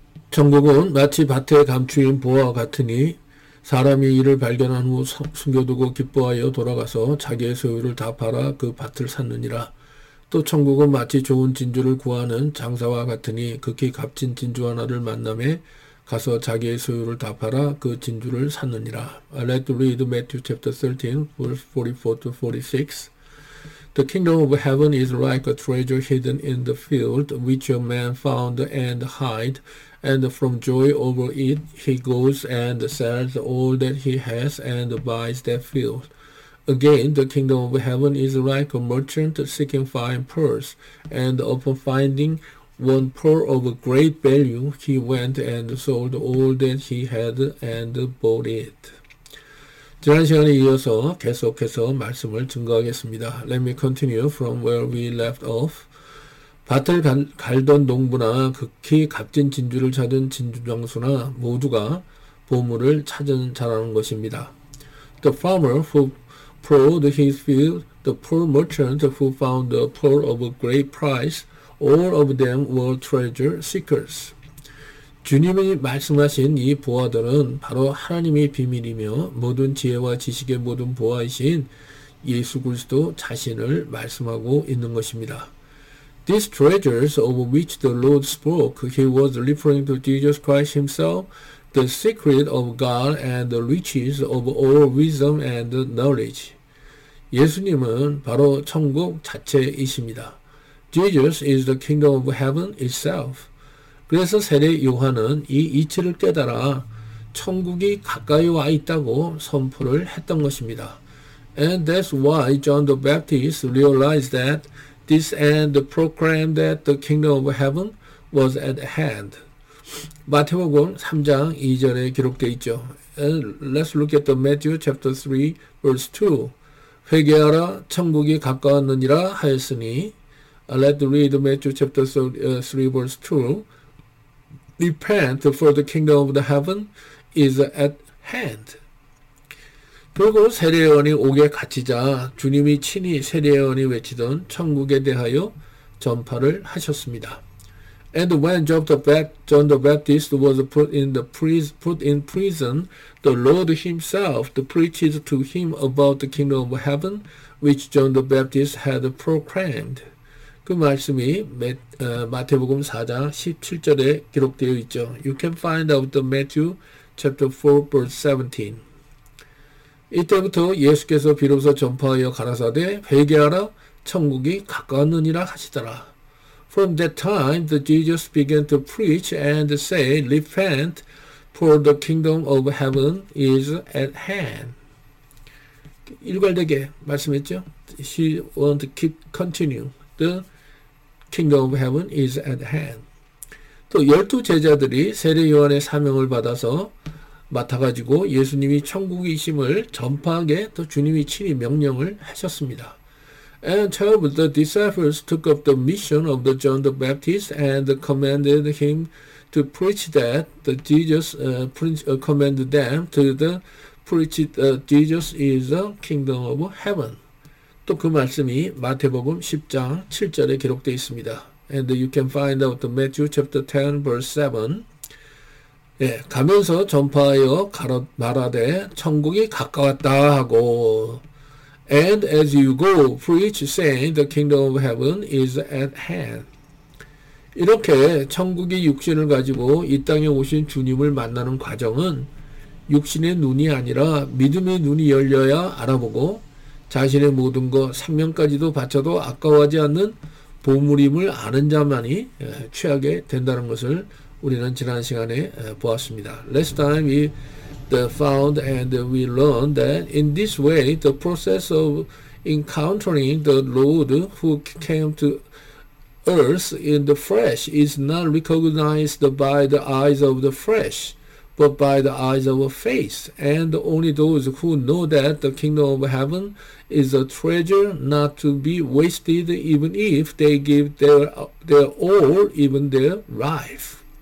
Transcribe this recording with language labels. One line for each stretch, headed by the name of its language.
Korean: "천국은 마치 밭에 감추인 보화 같으니 사람이 이를 발견한 후 숨겨두고 기뻐하여 돌아가서 자기의 소유를 다 팔아 그 밭을 샀느니라. 또 천국은 마치 좋은 진주를 구하는 장사와 같으니 극히 값진 진주 하나를 만남해 가서 자기의 소유를 다 팔아 그 진주를 샀느니라."
English: Let's read Matthew chapter 13, verse 44 to 46. "The kingdom of heaven is like a treasure hidden in the field, which a man found and hid, and from joy over it he goes and sells all that he has and buys that field. Again, the kingdom of heaven is like a merchant seeking fine pearls, and upon finding one pearl of great value, he went and sold all that he had and bought it."
Korean: 지난 시간에 이어서 계속해서 말씀을 증거하겠습니다.
English: Let me continue from where we left off.
Korean: 밭을 갈던 농부나 극히 값진 진주를 찾은 진주장수나 모두가 보물을 찾은 자라는 것입니다.
English: The farmer who plowed his field, the poor merchant who found the pearl of a great price, all of them were treasure seekers.
Korean: 주님이 말씀하신 이 보화들은 바로 하나님의 비밀이며 모든 지혜와 지식의 모든 보화이신 예수 그리스도 자신을 말씀하고 있는 것입니다.
English: These treasures of which the Lord spoke, he was referring to Jesus Christ himself, the secret of God and the riches of all wisdom and knowledge.
Korean: 예수님은 바로 천국 자체이십니다.
English: Jesus is the kingdom of heaven itself.
Korean: 그래서 세례 요한은 이 이치를 깨달아 천국이 가까이 와 있다고 선포를 했던 것입니다.
English: And that's why John the Baptist realized that this and proclaimed that the kingdom of heaven was at hand.
Korean: 마태복음 3장 2절에 기록되어 있죠.
English: And let's look at the Matthew chapter 3 verse 2.
Korean: 회개하라 천국이 가까웠느니라 하였으니.
English: Let's read Matthew chapter 3 verse 2. Repent, for the kingdom of the heaven is at hand.
Korean: 그리고 세례요한이 옥에 갇히자 주님이 친히 세례요한이 외치던 천국에 대하여 전파를 하셨습니다.
English: And when John the Baptist was put in prison, the Lord himself preached to him about the kingdom of heaven, which John the Baptist had proclaimed.
Korean: 그 말씀이 마태복음 4장 17절에 기록되어 있죠.
English: You can find out the Matthew chapter 4 verse 17.
Korean: 이때부터 예수께서 비로소 전파하여 가라사대 회개하라 천국이 가까웠느니라 하시더라.
English: From that time the Jesus began to preach and say, "Repent, for the kingdom of heaven is at hand."
Korean: 일관되게 말씀했죠.
English: He want to keep continue. The kingdom of heaven is at hand.
Korean: 또 열두 제자들이 세례 요한의 사명을 받아서 맡아가지고 예수님이 천국이심을 전파하게 또 주님이 친히 명령을 하셨습니다.
English: And 12 of the disciples took up the mission of the John the Baptist and commanded him to preach that the Jesus commanded them to the preach that Jesus is the kingdom of heaven.
Korean: 또 그 말씀이 마태복음 10장 7절에 기록되어 있습니다.
English: And you can find out the Matthew chapter 10 verse 7.
Korean: 예, 가면서 전파하여 말하되 천국이 가까웠다 하고,
English: and as you go, preach saying the kingdom of heaven is at hand.
Korean: 이렇게 천국의 육신을 가지고 이 땅에 오신 주님을 만나는 과정은 육신의 눈이 아니라 믿음의 눈이 열려야 알아보고 자신의 모든 것, 생명까지도 바쳐도 아까워하지 않는 보물임을 아는 자만이 취하게 된다는 것을 우리는 지난 시간에 보았습니다.
English: Last time we found and we learned that in this way, the process of encountering the Lord who came to earth in the flesh is not recognized by the eyes of the flesh, but by the eyes of faith. And only those who know that the kingdom of heaven is a treasure not to be wasted, even if they give their all, even their life.